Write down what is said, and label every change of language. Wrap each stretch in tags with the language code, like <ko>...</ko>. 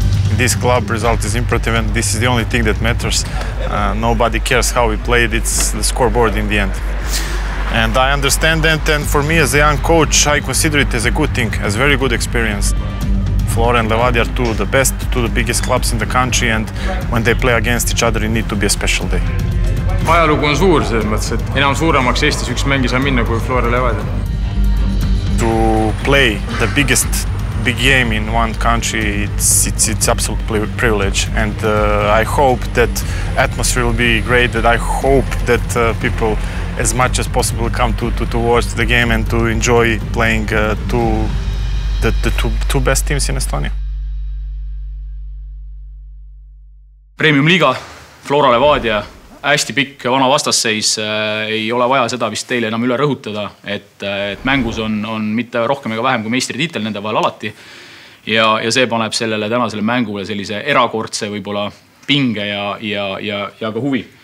<en>In this club result is imperative and this is the only thing that matters. Nobody cares how we play it, it's the scoreboard in the end. And I understand that, and for me as a young coach, I consider it as a good thing, as a very good experience. Flora and Levadia are two of the best, two of the biggest clubs in the country, and when they play against each other, it need to be a special day.</en> <et>Ajalugu on suur, selles mõttes, et enam suuremaks Eestis üks mängi saa minna kui Flora Levadia.</et> <en>To play the biggest big game in one country, it's absolute privilege, and I hope that atmosphere will be great, that I hope that people as much as possible come to watch the game and to enjoy playing the two best teams in Estonia.</en> <et>Premium liiga, Flora Levadia, hästi pikk vana vastasseis, ei ole vaja seda vist teile enam üle rõhutada, et mängus on mitte rohkem ega vähem kui meistritiitel nende vahel alati ja see paneb sellele tänasele mängule sellise erakordse võibolla pinge ja ka huvi.</et>